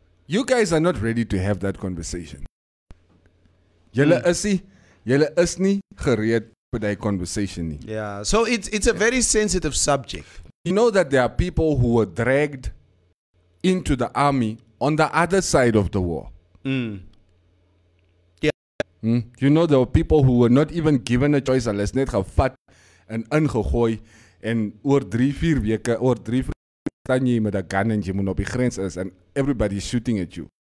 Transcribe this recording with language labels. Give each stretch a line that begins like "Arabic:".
English: You guys are not ready to have that conversation.
Afrikaans: Jylle is nie gereed vir die conversation nie.
English: Yeah, so it's a very sensitive subject. You know that there are people who were dragged into the army on the other side of the war. Mm. You know, there were people who were not even given a choice unless
Afrikaans: net gevat en ingegooi en oor drie, vier weke, staan jy met
English: a gun
Afrikaans: en jy moet op die grens is
English: and everybody's shooting at you.